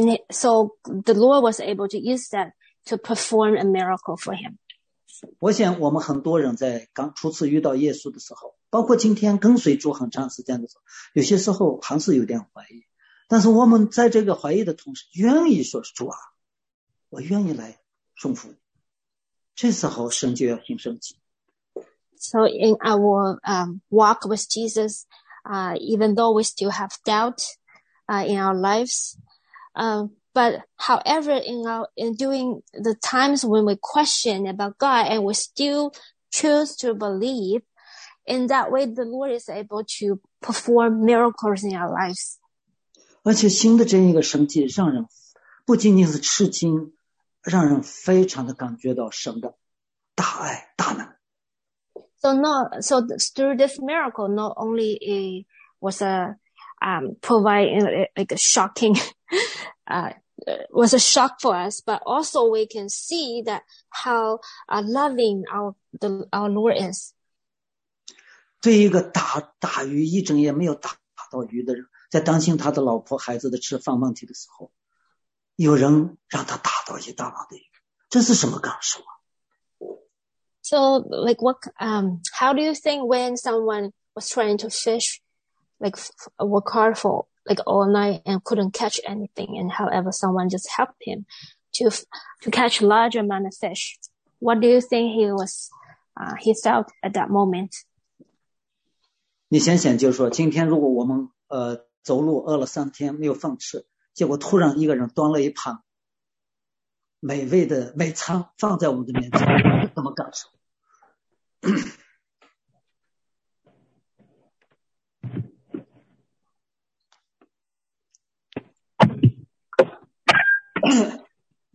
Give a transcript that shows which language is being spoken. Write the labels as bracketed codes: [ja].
[en] So the Lord was able to use that to perform a miracle for him. [zh] 我想我们很多人在刚初次遇到耶稣的时候，包括今天跟随主很长时间的时候，有些时候还是有点怀疑。但是我们在这个怀疑的同时，愿意说主啊，我愿意来顺服你。这时候神就要行神迹。 [en] So in our walk with Jesus, even though we still have doubt in our lives, but however, in doing the times when we question about God and we still choose to believe, in that way, the Lord is able to perform miracles in our lives. [zh] 而且新的这样一个神迹让人不仅仅是吃惊，让人非常的感觉到神的大爱大能。 [en] So through this miracle, not only it was providing like a shocking, was a shock for us, but also we can see that how loving our Lord is. [zh] 对一个打鱼一整夜没有打到鱼的人，在担心他的老婆孩子的吃饭问题的时候，有人让他打到一大把的鱼，这是什么感受啊？ [en] So, like, what, how do you think when someone was trying to fish, like, work hard for, like, all night and couldn't catch anything, and however someone just helped him to catch a large amount of fish? What do you think he felt at that moment? [zh] 你想想就是说，今天如果我们走路饿了三天没有饭吃，结果突然一个人端了一盘美味的美餐放在我们的面前。